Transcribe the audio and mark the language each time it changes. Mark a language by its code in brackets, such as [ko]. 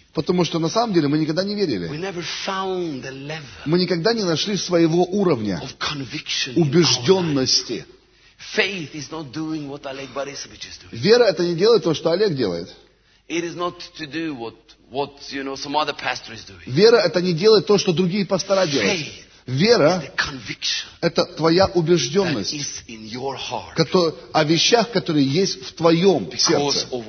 [ru] Потому что на самом деле мы никогда не верили. [en] We never found the level. [ru] Мы никогда не нашли своего уровня [en] of conviction [ru] убежденности. [en] Faith is not doing what Oleg Borisovich is doing. [ru] Вера это не делает то, что Олег делает. [en] It is not to do what you know some other pastor is doing. [ru] Вера это не делает то, что другие пастора делают. Вера – это твоя убежденность о вещах, которые есть в твоем сердце.